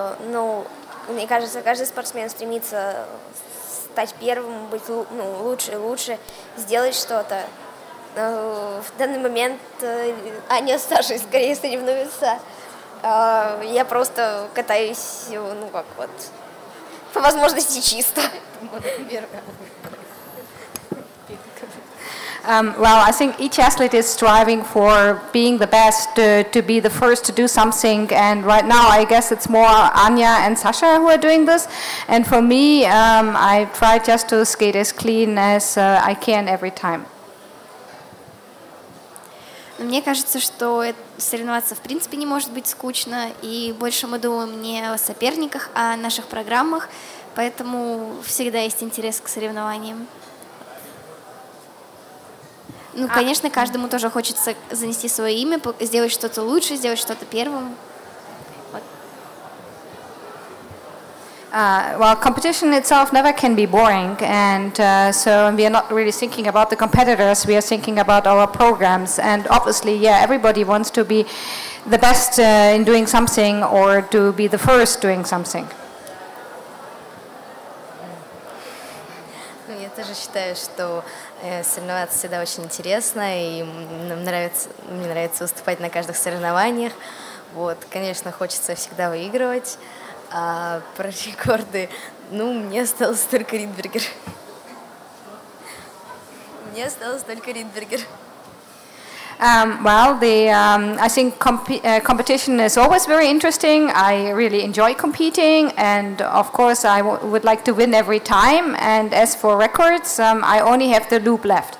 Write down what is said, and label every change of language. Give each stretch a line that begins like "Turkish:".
Russian: Ну, мне кажется, каждый спортсмен стремится стать первым, быть лучше, сделать что-то. В данный момент Аня старше, скорее, соревнуется. Я просто катаюсь, ну, как вот, по возможности чисто.
English: Well, I think each athlete is striving for being the best, to be the first to do something. And right now, I guess it's more Anya and Sasha who are doing this. And for me, I try just to skate as clean as I can every time.
Russian: Мне кажется, что соревноваться в принципе не может быть скучно. И больше мы думаем не о соперниках, а о наших программах. Поэтому всегда есть интерес к соревнованиям. Ну, конечно, каждому тоже хочется занести свое имя, сделать что-то лучше, сделать что-то первым.
English: Well, competition itself never can be boring, and so we are not really thinking about the competitors, we are thinking about our programs, and obviously, yeah, everybody wants to be the best in doing something or to be the first doing something.
Russian: Я тоже считаю, что соревноваться всегда очень интересно, и мне нравится выступать на каждых соревнованиях. Вот, конечно, хочется всегда выигрывать. А про рекорды, ну, мне осталось только Ридбергер.
English: Well, I think competition is always very interesting. I really enjoy competing, and of course, I would like to win every time. And as for records, I only have the loop left.